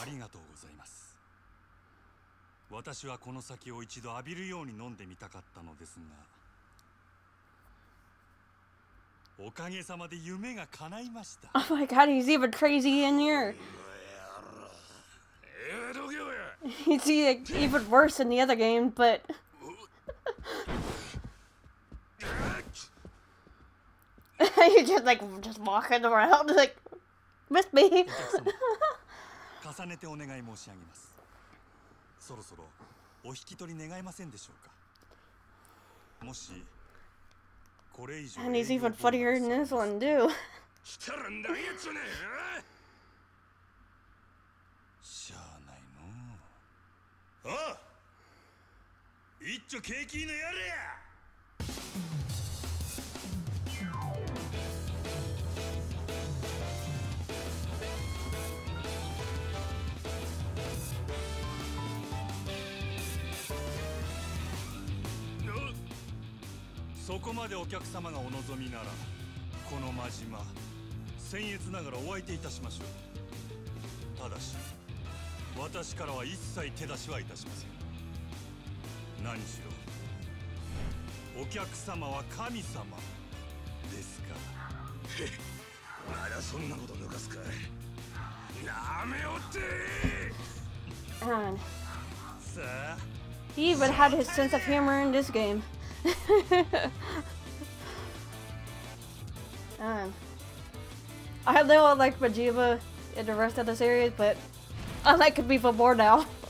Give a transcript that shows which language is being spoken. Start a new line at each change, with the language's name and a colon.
Japanese: ありがとうございます。私はこの酒を一度浴びるように飲んでみたかったのですが、おかげさまで夢が叶いました。
English: Oh my God, he's even crazy in here. He's even worse in the other game, but. He's just walking around, like, miss me!
Japanese: 重ねてお願い申し上げます。そろそろお引き取り願いませんでしょうか。もし、これ以上。
English: And he's even funnier than this one, too.
Japanese: 来てるんだ、やつね。しゃあないの。ああ、一丁景気のやれや。そこまでお客様がお望みなら、この真島、僭越ながらお相手いたしましょう。ただし。私からは一切手出しはいたしません。何しろお客様は神様ですか。まだそんなこと抜かすかい。なめおって。さあ。
English: He even had his sense of humor in this game. I know I like Majima in the rest of the series, but. I like him even more now.